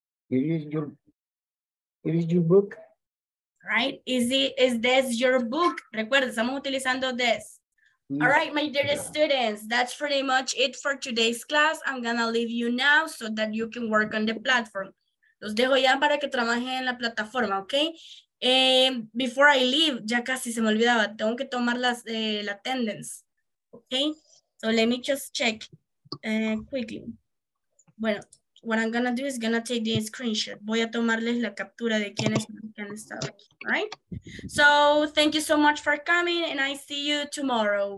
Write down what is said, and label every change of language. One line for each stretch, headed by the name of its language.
English: Is your book? Right. Is this your book?
Spanish: Recuerda, estamos utilizando this.
English: Yeah. All right, my dear students, that's pretty much it for today's class. I'm going to leave you now so that you can work on the platform.
Spanish: Los dejo ya para que trabajen en la plataforma, okay?
English: Before I leave,
Spanish: ya casi se me olvidaba, tengo que tomar las la attendance, okay?
English: So let me just check quickly. Bueno. What I'm gonna do is gonna take the screenshot.
Spanish: Voy a tomarles la captura de quienes han estado aquí, right?
English: So, thank you so much for coming and I see you tomorrow.